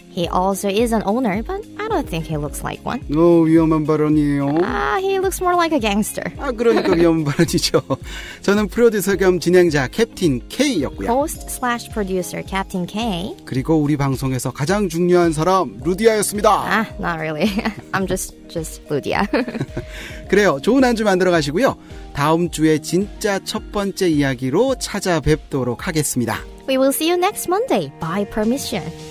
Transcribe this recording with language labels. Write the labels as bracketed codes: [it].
[en] He also is an owner, but I don't think he looks like one. [ko] 오, 위험한 발언이에요. [en] He looks more like a gangster. [ko] 아, 그러니까 위험한 발언이죠. 저는 프로듀서 겸 진행자 캡틴 K였고요. [en] Host / Producer Captain K. [ko] 그리고 우리 방송에서 가장 중요한 사람, 루디아였습니다. [en] Not really. I'm just Ludia. [ko] 그래요, 좋은 한 주 만들어 가시고요. 다음 주에 진짜 첫 번째 이야기로 찾아뵙도록 하겠습니다. [en] We will see you next Monday, by permission.